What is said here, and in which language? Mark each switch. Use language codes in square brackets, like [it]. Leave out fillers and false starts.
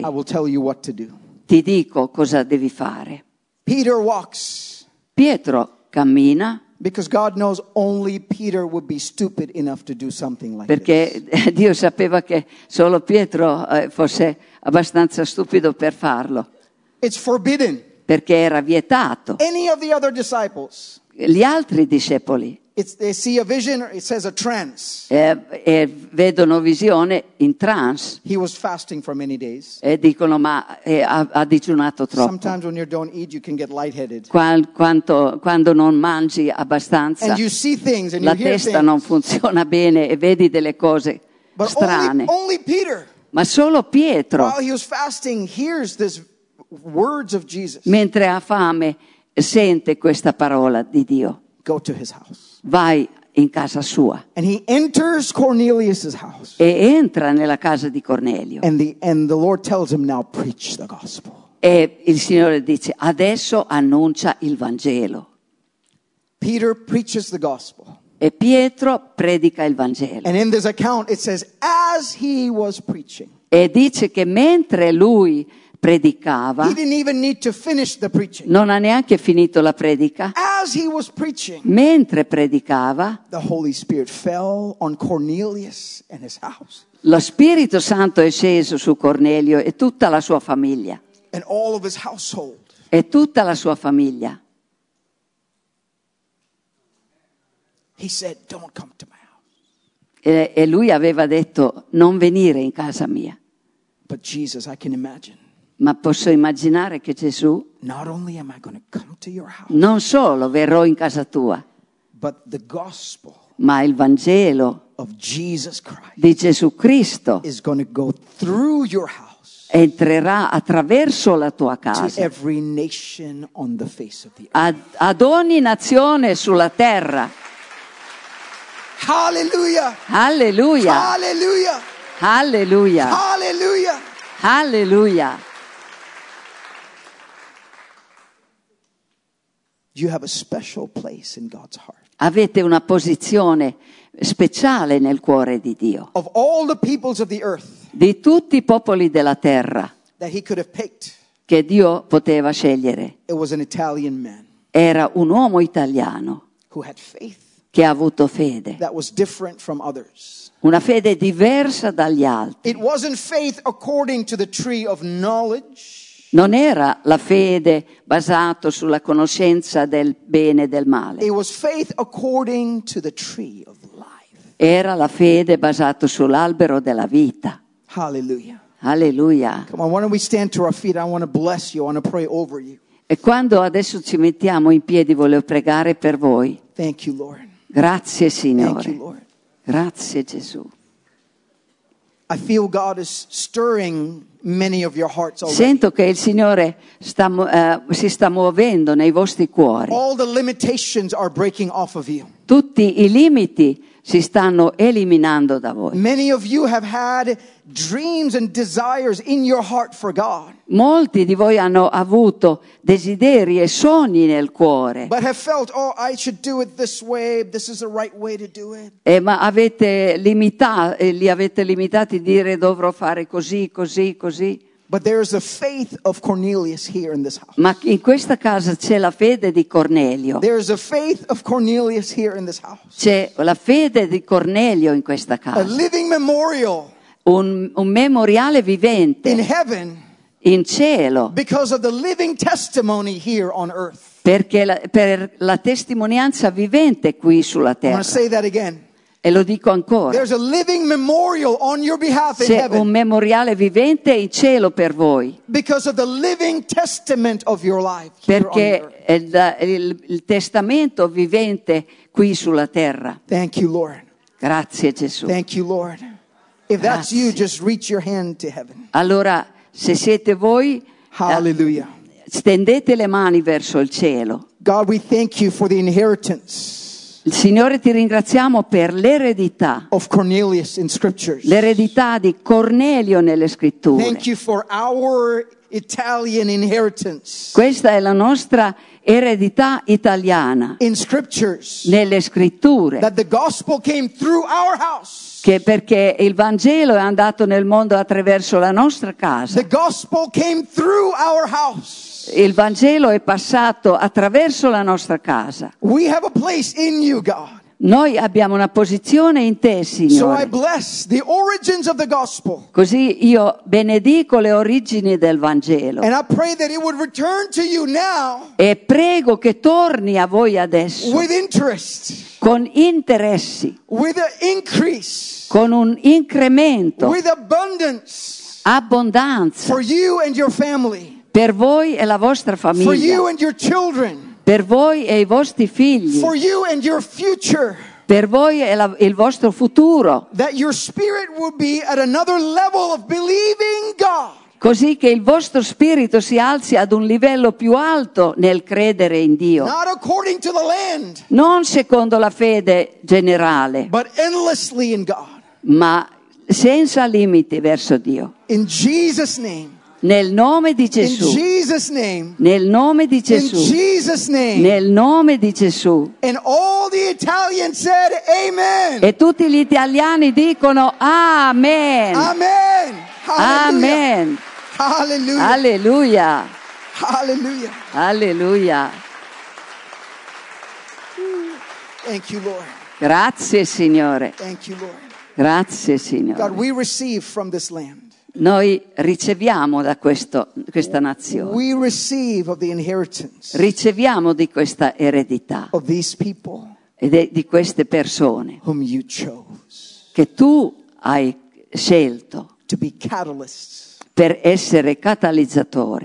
[en] I will tell you what to do. [it] Ti dico cosa devi fare. [en] Peter walks. [it] Pietro cammina. [en] Because God knows only Peter would be stupid enough to do something like [it] perché [en] this. [it] Perché Dio sapeva che solo Pietro fosse abbastanza stupido per farlo. [en] It's forbidden. [it] Perché era vietato. [en] Any of the other disciples. [it] Gli altri discepoli. [en] It's, they see a vision, it says a trance. [it] E vedono visione in trance. [en] He was fasting for many days. [it] E dicono ma ha digiunato troppo. [en] Sometimes when you don't eat you can get lightheaded. [it] Quando non mangi abbastanza. [en] And you see things and [it] la [en] you [it] testa [en] hear [it] non funziona bene e vedi delle cose [en] but [it] strane. [en] Only Peter. [it] Ma solo Pietro. [en] While he was fasting hears this words of Jesus. [it] Mentre ha fame sente questa parola di Dio. [en] Go to his house. [it] Vai in casa sua. [en] And he enters Cornelius's house. [it] E entra nella casa di Cornelio. [en] And the Lord tells him now preach the gospel. [it] E il Signore dice adesso annuncia il Vangelo. [en] Peter preaches the gospel. [it] E Pietro predica il Vangelo. [en] And in this account it says as he was preaching. [it] E dice che mentre lui predicava, [en] he didn't even need to finish the preaching. [it] Non ha neanche finito la predica. [en] As he was preaching, [it] mentre predicava, [en] the Holy Spirit fell on Cornelius and his house. [it] Lo Spirito Santo è sceso su Cornelio e tutta la sua famiglia. [en] And all of his household. [it] E tutta la sua famiglia. [en] He said, "Don't come to my house." [it] E lui aveva detto non venire in casa mia. [en] But Jesus, I can imagine. [it] Ma posso immaginare che Gesù [en] not only am I going to come to your house, [it] non solo verrò in casa tua, [en] but the gospel [it] ma il Vangelo [en] of Jesus Christ [it] di Gesù Cristo [en] is going to go through your house [it] entrerà attraverso la tua casa [en] to every nation on the face of the earth. [it] Ad ogni nazione sulla terra. Hallelujah! Hallelujah! Hallelujah! Hallelujah! Hallelujah! Hallelujah! [en] You have a special place in God's heart. [it] Avete una posizione speciale nel cuore di Dio. [en] Of all the peoples of the earth. [it] Di tutti i popoli della terra. [en] That he could have picked. [it] Che Dio poteva scegliere. [en] It was an Italian man. [it] Era un uomo italiano. [en] Who had faith. [it] Che ha avuto fede. [en] That was different from others. [it] Una fede diversa dagli altri. [en] It wasn't faith according to the tree of knowledge. [it] Non era la fede basata sulla conoscenza del bene e del male. [en] It was faith according to the tree of life. [it] Era la fede basata sull'albero della vita. [en] Hallelujah. [it] Hallelujah. [en] Come on, why don't we stand to our feet? I want to bless you. I want to pray over you. [it] E quando adesso ci mettiamo in piedi, voglio pregare per voi. [en] Thank you, Lord. [it] Grazie, Signore. [en] Thank you, Lord. [it] Grazie, Gesù. [en] I feel God is stirring many of your hearts already. [it] Sento che il Signore si sta muovendo nei vostri cuori. [en] All the limitations are breaking off of you. [it] Tutti i limiti si stanno eliminando da voi. [en] Many of you have had dreams and desires in your heart for God. [it] Molti di voi hanno avuto desideri e sogni nel cuore. [en] But have felt, oh, I should do it this way. This is the right way to do it. [it] Ma li avete limitati a dire dovrò fare così, così, così. [en] But there is a faith of Cornelius here in this house. [it] Ma in questa casa c'è la fede di Cornelio. [en] There is a faith of Cornelius here in this house. [it] C'è la fede di Cornelio in questa casa. [en] A living memorial. [it] Un memoriale vivente. [en] In heaven. [it] In cielo. [en] Because of the living testimony here on earth. [it] Perché per la testimonianza vivente qui sulla terra. [en] I want to say that again. [it] E lo dico ancora. [en] There's a living memorial on your behalf in heaven. [it] C'è un memoriale vivente in cielo per voi. [en] Because of the living testament of your life. [it] Perché il testamento vivente qui sulla terra. [en] Thank you, Lord. [it] Grazie, Gesù. [en] Thank you, Lord. If that's you, just reach your hand to heaven. [it] Allora, se siete voi, hallelujah. Stendete le mani verso il cielo. [en] God, we thank you for the inheritance. [it] Signore, ti ringraziamo per l'eredità. [en] Of Cornelius in scriptures. [it] L'eredità di Cornelio nelle scritture. [en] Thank you for our Italian inheritance. [it] Questa è la nostra eredità italiana. [en] In scriptures. [it] Nelle scritture. [en] That the gospel came through our house. [it] Che perché il Vangelo è andato nel mondo attraverso la nostra casa. [en] The gospel came through our house. [it] Il Vangelo è passato attraverso la nostra casa. [en] We have a place in you, God. [it] Noi abbiamo una posizione in te, Signore. [en] So I bless the origins of the gospel. [it] Così io benedico le origini del Vangelo. [en] And I pray that it would return to you now. [it] E prego che torni a voi adesso. [en] With interest. [it] Con interessi. [en] With an increase. [it] Con un incremento. [en] With abundance. [it] Abbondanza. [en] For you and your family. [it] Per voi e la vostra famiglia. [en] For you and your children. [it] Per voi e i vostri figli. [en] For you and your future. [it] Per voi e il vostro futuro. [en] That your spirit will be at another level of believing God. [it] Così che il vostro spirito si alzi ad un livello più alto nel credere in Dio. [en] Not according to the land. [it] Non secondo la fede generale. [en] But endlessly in God. [it] Ma senza limiti verso Dio. [en] In Jesus' name. [it] Nel nome di Gesù. [en] In Jesus' name. [it] Nel nome di Gesù. [en] In Jesus' name. [it] Nel nome di Gesù. [en] And all the Italians said amen. [it] E tutti gli italiani dicono amen. Amen. Amen. Hallelujah. Hallelujah. Hallelujah. Hallelujah. [en] Thank you, Lord. [it] Grazie, Signore. [en] Thank you, Lord. [it] Grazie, Signore. [en] God, we receive from this land. [it] Noi riceviamo da questa nazione. [en] We receive of the inheritance. [it] Riceviamo di questa eredità. [en] Of these people. [it] E di queste persone. [en] Whom you chose. [it] Che tu hai scelto. [en] To be catalysts. [it] Per essere catalizzatori.